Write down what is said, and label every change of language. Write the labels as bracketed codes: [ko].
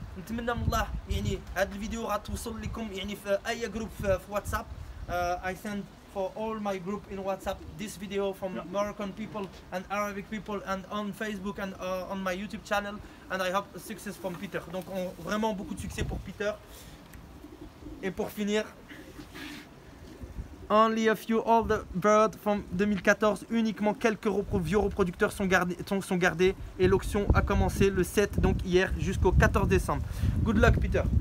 [ar] نتمنى من الله يعني هذه الفيديو غتوصل لكم يعني في اي جروب في واتساب. [en] I send for all my group in WhatsApp this video from Moroccan people and Arabic people and on Facebook and on my YouTube channel and I hope success from Peter. [fr] Donc vraiment beaucoup de succès pour Peter. Et pour finir, [en] only a few old birds from 2014, [fr] uniquement quelques vieux reproducteurs sont gardés et l'auction a commencé le 7, donc hier, jusqu'au 14 décembre. [en] Good luck, Peter.